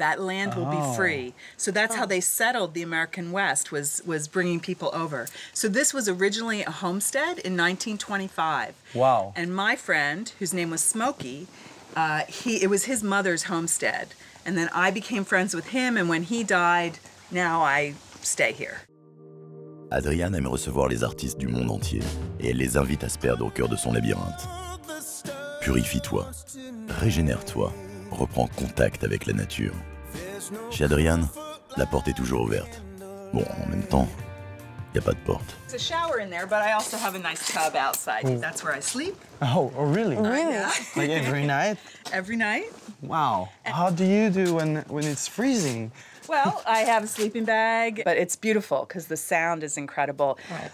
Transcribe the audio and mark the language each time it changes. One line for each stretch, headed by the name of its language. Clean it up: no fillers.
English: That land will be free. So that's how they settled the American West, was bringing people over. So this was originally a homestead in 1925. Wow. And my friend, whose name was Smokey, it was his mother's homestead. And then I became friends with him, and when he died, now I stay here.
French: Adrienne aime recevoir les artistes du monde entier, et elle les invite à se perdre au cœur de son labyrinthe. Purifie-toi, régénère-toi, reprends contact avec la nature. Chez Adrienne, la porte est toujours ouverte. Bon, en même temps, il n'y a pas de porte. Il y a une
English: shower in there, but I also have a nice tub outside. Oh. That's where I sleep. Oh, really? Really? Like every night? Every night. Wow. How do you do when it's freezing? Well, I have a sleeping bag, but it's beautiful because the sound is incredible. Right.